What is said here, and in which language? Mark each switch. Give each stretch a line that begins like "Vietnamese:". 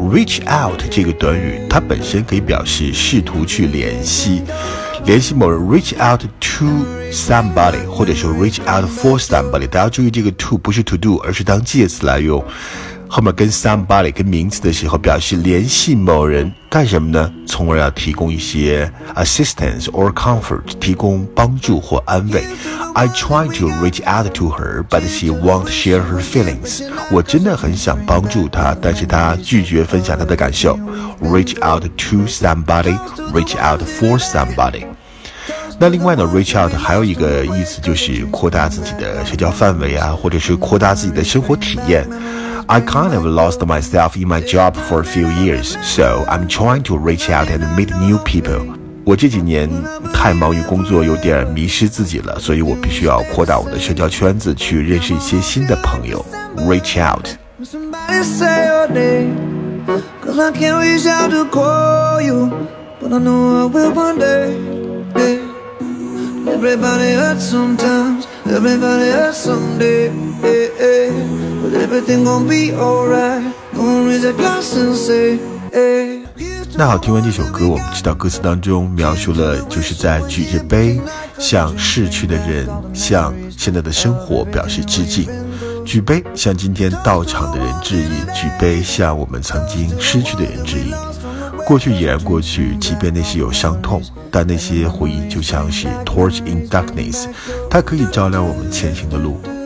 Chinese: Reach out 这个短语，它本身可以表示试图去联系，联系某人，
English: reach out to somebody，
Chinese: 或者说
English: reach out for somebody。
Chinese: 大家注意这个 to 不是 to do， 而是当介词来用，后面跟 somebody 跟名词的时候，表示联系某人干什么呢？从而要提供一些
English: assistance or comfort，
Chinese: 提供帮助或安慰。
English: I tried to reach out to her but she won't share her feelings，
Chinese: 我真的很想帮助她，但是她拒绝分享她的感受。
English: reach out to somebody， reach out for somebody。
Chinese: 那另外呢， reach out 还有一个意思就是扩大自己的社交范围啊，或者是扩大自己的生活体验。
English: I kind of lost myself in my job for a few years, so I'm trying to reach out and meet new people.
Chinese: 我这几年太忙于工作，有点迷失自己了，所以我必须要扩大我的社交圈子，去认识一些新的朋友。
English: Reach out. Somebody say your name, cause I can't reach out to call you, but I know I will one day, hey. Everybody hurts sometimes, everybody hurts someday, hey, hey. Everything gonna be alright. Gonna raise a glass and say, hey.
Chinese: 那好，听完这首歌，我们知道歌词当中描述了就是在举着杯向逝去的人，向现在的生活表示致敬，举杯向今天到场的人致意，举杯向我们曾经失去的人致意。过去已然过去，即便那些有伤痛，但那些回忆就像是
English: torch in darkness，
Chinese: 它可以照亮我们前行的路。